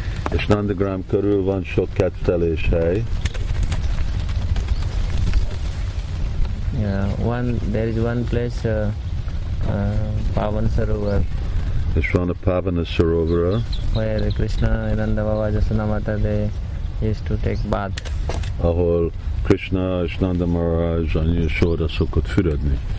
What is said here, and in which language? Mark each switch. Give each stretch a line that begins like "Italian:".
Hungarian: És Nandagram körül van sok kettelés hely.
English: Yeah, there is one place, Pavan Sarovar. It's from the Pavan Sarovar. Where Krishna and Nandababa Jasanamata, they used to take bath.
Hungarian: Ahol Krishna és Nanda Maharaj annyi sorra szokott füredni.